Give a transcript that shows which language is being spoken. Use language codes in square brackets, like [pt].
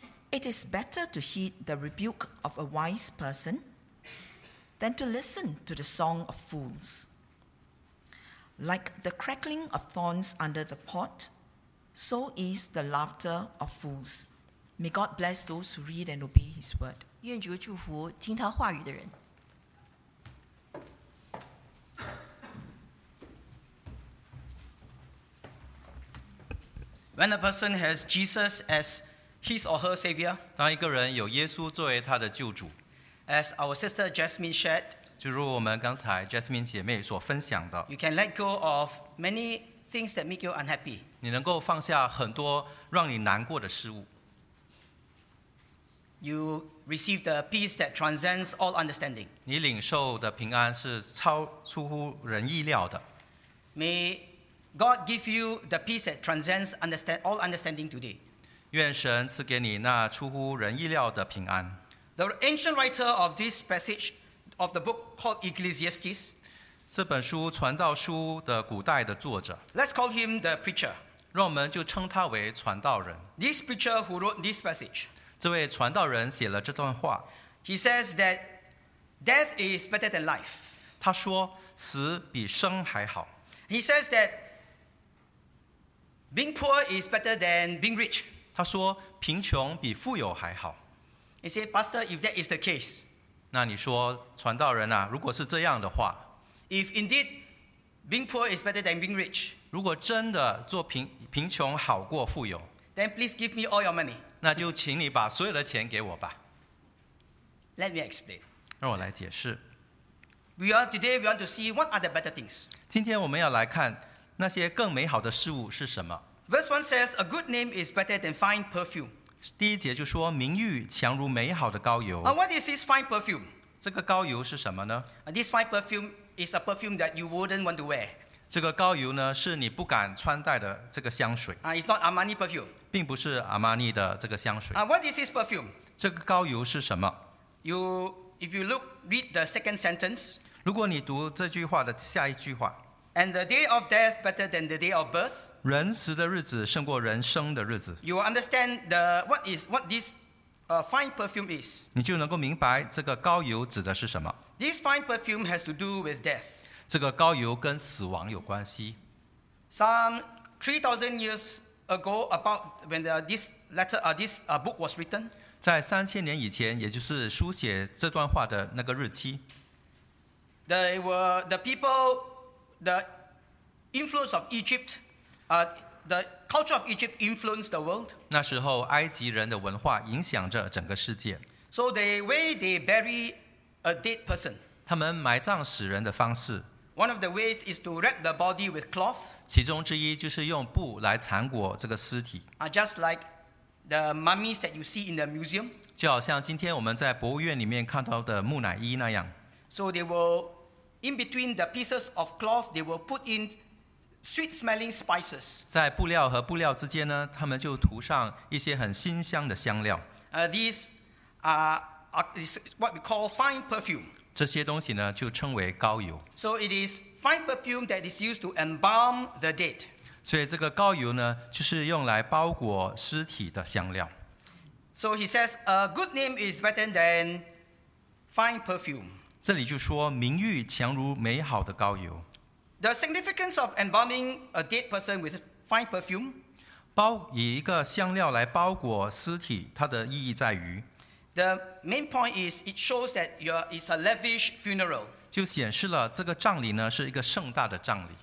[en] It is better to heed the rebuke of a wise person than to listen to the song of fools. Like the crackling of thorns under the pot,So is the laughter of fools. May God bless those who read and obey His word. [zh] 愿主祝福听他话语的人。 [en] When a person has Jesus as his or her savior, [zh] 当一个人有耶稣作为他的救主 [en] ，as our sister Jasmine shared, [zh] 就如我们刚才 Jasmine 姐妹所分享的 [en] ，you can let go of many things that make you unhappy. [zh] 你能够放下很多让你难过的事物。 [en] You receive the peace that transcends all understanding. [zh] 你领受的平安是超出乎人意料的。 [en] May God give you the peace that transcends all understanding today. [zh] 愿神赐给你那出乎人意料的平安。 [en] The ancient writer of this passage of the book called Ecclesiastes. [zh] 这本书传道书的古代的作者。 [en] Let's call him the preacher. [zh] 让我们就称他为传道人。 [en] This preacher who wrote this passage, [zh] 这位传道人写了这段话。 [en] He says that death is better than life. [zh] 他说死比生还好。 [en] He says that being poor is better than being rich. [zh] 他说贫穷比富有还好。 [en] He said, Pastor, if that is the case, [zh] 那你说传道人啊，如果是这样的话 [en] ，If indeed being poor is better than being rich. [zh] 如果真的做贫穷好过富有 [en] ，Then please give me all your money. [zh] 那就请你把所有的钱给我吧。 [en] Let me explain. [zh] 让我来解释。 [en] We want to see what are the better things. [zh] 今天我们要来看那些更美好的事物是什么。 [en] Verse 1 says a good name is better than fine perfume. [zh] 第一节就说名誉强如美好的膏油。 [en] And what is this fine perfume? [zh] 这个膏油是什么呢 [en] ？This fine perfume is a perfume that you wouldn't want to wear. [zh] 这个膏油呢，是你不敢穿戴的这个香水。 [en] It's not Armani perfume. [zh] 并不是 Armani 的这个香水。 [en] What is this perfume? [zh] 这个膏油是什么 [en] ？If you read the second sentence, [zh] 如果你读这句话的下一句话， [en] And the day of death better than the day of birth， [zh] 人死的日子胜过人生的日子， [en] You will understand the, what, is, what this、fine perfume is， [zh] 你就能够明白这个膏油指的是什么。 [en] This fine perfume has to do with death， [zh] 这个膏油跟死亡有关系。 [en] Some 3,000 years ago about when this letter、this book was written， [zh] 在三千年以前，也就是书写这段话的那个日期， [en] They were the people, the influence of Egypt, the culture of Egypt influenced the world. [zh] 那时候埃及人的文化影响着整个世界。 [en] So the way they bury a dead person. [zh] 他们埋葬死人的方式。 [en] One of the ways is to wrap the body with cloth. [zh] 其中之一就是用布来缠裹这个尸体。 [en] Just like the mummies that you see in the museum. [zh] 就好像今天我们在博物院里面看到的木乃伊那样。 [en] So they will, in between the pieces of cloth, they will put in sweet-smelling spices. [zh] 在布料和布料之间呢，他们就涂上一些很馨香的香料。 [en] These are what we call fine perfume. [zh] 这些东西呢，就称为膏油。 [en] So it is fine perfume that is used to embalm the dead. [zh] 所以这个膏油呢，就是用来包裹尸体的香料。 [en] So he says, a good name is better than fine perfume. [zh] 这里就说名誉强如美好的膏油。 [en] The significance of embalming a dead person with fine perfume [zh] 包以一个香料来包裹尸体，它的意义在于 [en] The main point is it shows that it's a lavish funeral [zh] 就显示了这个葬礼呢是一个盛大的葬礼。